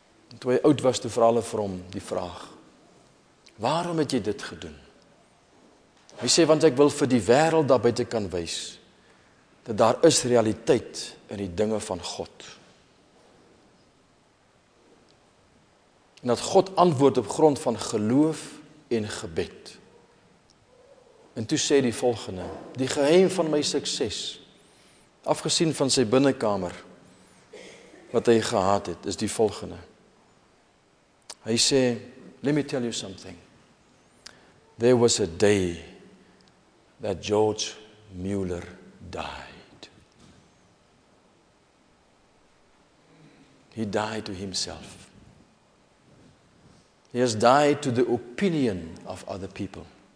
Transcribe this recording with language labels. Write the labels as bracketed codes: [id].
[af] En toe hy oud was, toe vra hulle vir hom die vraag, waarom het jy dit gedoen? Hy sê, want ek wil vir die wêreld daar buite kan wys, dat daar is realiteit in die dinge van God. En dat God antwoord op grond van geloof, en gebed. En toe sê die volgende, die geheim van my sukses, afgesien van sy binnenkamer, wat hy gehad het, is die volgende. Hy sê, [en] let me tell you something. There was a day that George Mueller died. He died to himself. He has died to the opinion of other people.